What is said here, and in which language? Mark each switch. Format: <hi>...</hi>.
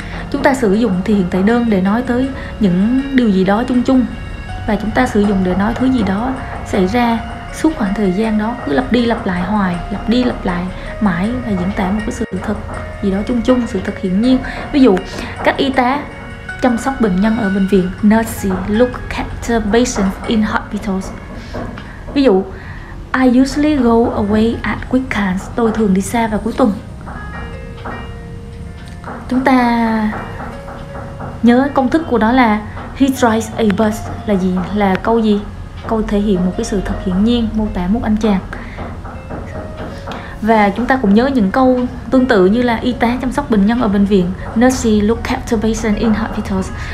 <vi>Chúng ta sử dụng thì hiện tại đơn để nói tới những điều gì đó chung chung, và chúng ta sử dụng để nói thứ gì đó xảy ra suốt khoảng thời gian đó, cứ lặp đi lặp lại hoài, lặp đi lặp lại mãi và diễn tả một cái sự thật gì đó chung chung, sự thật hiển nhiên. Ví dụ, các y tá chăm sóc bệnh nhân ở bệnh viện,</vi> <en>nurses look after patients in hospitals. Ví dụ, I usually go away at weekends.</en> <vi>Tôi thường đi xa vào cuối tuần. Chúng ta nhớ công thức của nó là</vi> <en>he drives a bus</en> <vi>là gì? Là câu gì? Câu thể hiện một cái sự thật hiển nhiên, mô tả một anh chàng. Và chúng ta cũng nhớ những câu tương tự như là y tá chăm sóc bệnh nhân ở bệnh viện,</vi> <en>nurse look after patient in hospitals.</en>